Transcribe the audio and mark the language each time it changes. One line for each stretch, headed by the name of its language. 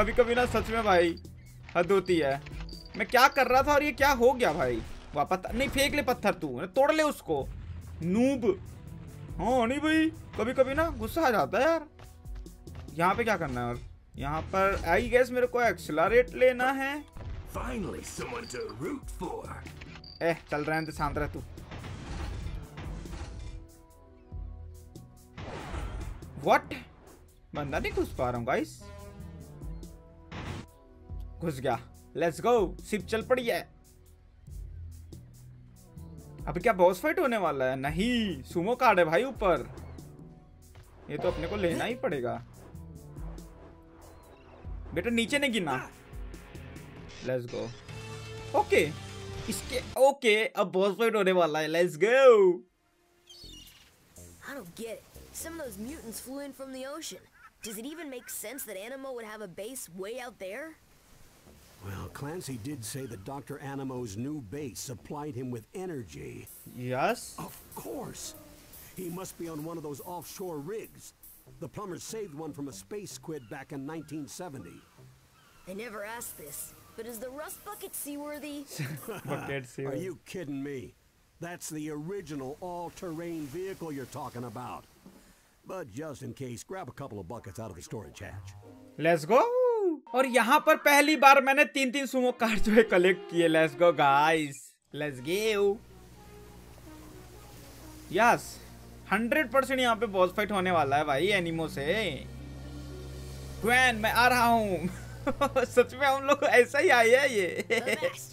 Hindi: कभी कभी ना सच में भाई हद होती है। मैं क्या कर रहा था और ये क्या हो गया भाई? वापस नहीं, फेंक ले पत्थर, तू तोड़ ले उसको नूब। हाँ नहीं भाई, कभी कभी ना गुस्सा आ जाता है यार। यहाँ पे क्या करना है? और यहाँ पर आई गेस मेरे को एक्सेलरेट लेना है।
English: Finally, someone to root for.
Hindi: एह, चल रहे हैं तो शांत रह तू।
English: What?
Hindi: बंदा नहीं घुस पा रहा हूँ गाइस। घुस गया, लेट्स गो। सिप चल पड़ी है। अभी क्या बॉस फाइट होने वाला है? नहीं, सुमो कार्ड है भाई ऊपर, ये तो अपने को लेना ही पड़ेगा। बेटा नीचे नहीं गिना, लेट्स गो। ओके इसके, ओके अब बॉस फाइट होने वाला है, let's go.
English: I don't get it, some of those mutants flew in from the ocean, does it even make sense that Animo would have a base way out there? Well, Clancy did say that Dr. Animo's new base supplied him with energy. Yes? Of course. He must be on one of those offshore rigs. The plumbers saved one from a space squid back in 1970. I never asked this, but is the rust bucket seaworthy? Are you kidding me? That's the original all-terrain vehicle you're talking about. But just in case, grab a couple of buckets out of the storage hatch. Let's go!
Hindi: और यहाँ पर पहली बार मैंने तीन तीन Sumo car जो है collect किए। Let's go guys, let's go. Yes 100% यहाँ पे बॉस फाइट होने वाला है भाई एनिमो से। ग्वेन मैं आ रहा हूँ। सच में हम लोग ऐसा ही आए हैं ये।